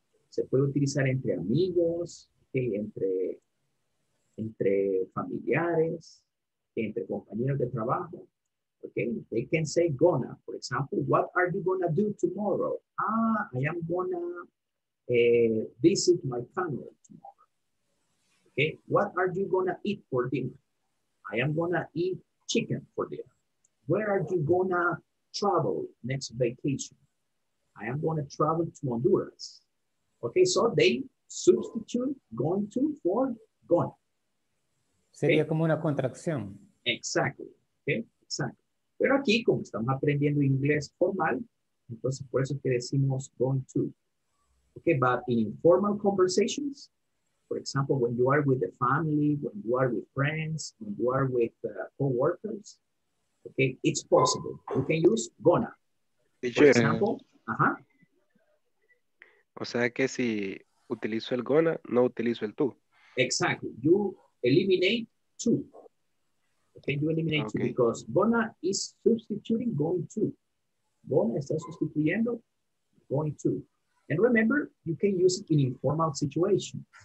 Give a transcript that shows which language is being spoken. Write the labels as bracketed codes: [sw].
[es] Se puede utilizar entre amigos, okay, entre familiares, entre compañeros de trabajo, okay? [en] They can say gonna. For example, what are you gonna do tomorrow? I am gonna visit my family tomorrow. Okay, what are you gonna eat for dinner? I am gonna eat chicken for dinner. Where are you gonna travel next vacation? I am gonna travel to Honduras. Okay, so they substitute going to for gonna. [es] Sería okay. Como una contracción. [en] Exactly, okay, exactly. [es] Pero aquí, como estamos aprendiendo inglés formal, entonces por eso que decimos going to. [en] Okay, but in informal conversations, for example, when you are with the family, when you are with friends, when you are with co-workers, okay, it's possible. You can use gonna. Teacher, for example, [es] O sea que si utilizo el gonna, no utilizo el tú. [en] Exactly. You eliminate tú. Okay, you eliminate okay. Tú because gonna is substituting going to. [es] Gonna está sustituyendo going to. [en] And remember, you can use it in informal situations.